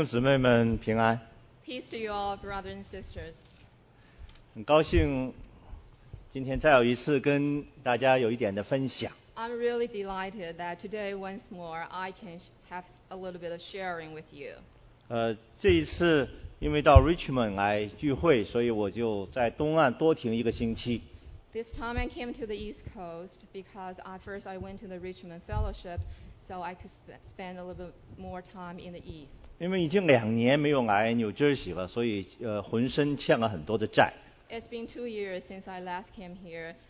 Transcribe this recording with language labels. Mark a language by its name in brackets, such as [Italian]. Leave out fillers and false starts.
[English] Peace to you all, brothers and sisters. [Chinese] 很高兴今天再有一次跟大家有一点的分享。 [English] I'm really delighted that today once more I can have a little bit of sharing with you. [Chinese] 这一次因为到 Richmond 来聚会，所以我就在东岸多停一个星期。 [English] This time I came to the East Coast because I went to the Richmond Fellowship, so I could spend a little bit more time in the East. [Chinese] 因为已经两年没有来 New Jersey了，所以浑身欠了很多的债。 [English] It's been 2 years since I last came here.